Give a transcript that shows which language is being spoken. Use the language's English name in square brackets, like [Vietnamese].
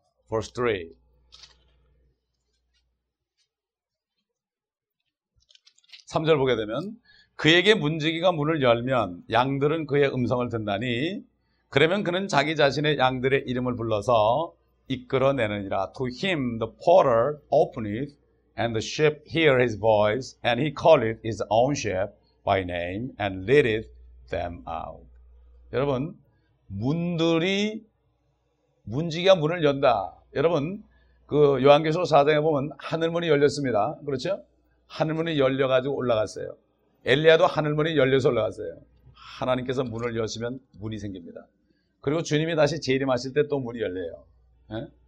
[English] verse 3. [Korean] 3절 보게 되면, 그에게 문지기가 문을 열면 양들은 그의 음성을 듣나니, 그러면 그는 자기 자신의 양들의 이름을 불러서 이끌어내느니라. [English] To him the porter openeth, and the sheep hear his voice, and he calleth his own sheep by name, and leadeth them out. [Korean] 여러분, 문들이, 문지기가 문을 연다. 여러분, 그 요한계시록 4장에 보면 하늘문이 열렸습니다. 그렇죠? 하늘문이 열려가지고 올라갔어요. 엘리야도 하늘문이 열려서 올라갔어요. 하나님께서 문을 여시면 문이 생깁니다. 그리고 주님이 다시 재림하실 때 또 문이 열려요. 예?